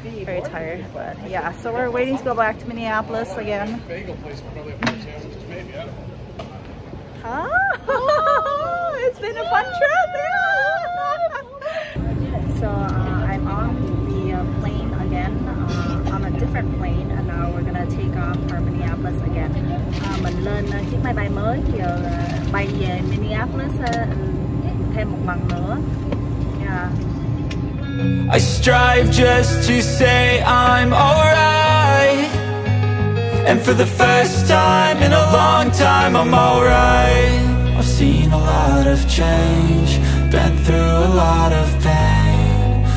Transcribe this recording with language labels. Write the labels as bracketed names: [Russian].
[English] Very tired, but yeah, so we're waiting to go back to Minneapolis again. Oh, it's been a fun trip. So I'm on the plane again, on a different plane. We're gonna take off for Minneapolis again. [Vietnamese] Mình lên chiếc máy bay mới, giờ bay về Minneapolis thêm một lần nữa. [English] Yeah. I strive just to say I'm alright, and for the first time in a long time I'm alright. I've seen a lot of change, been through a lot of pain.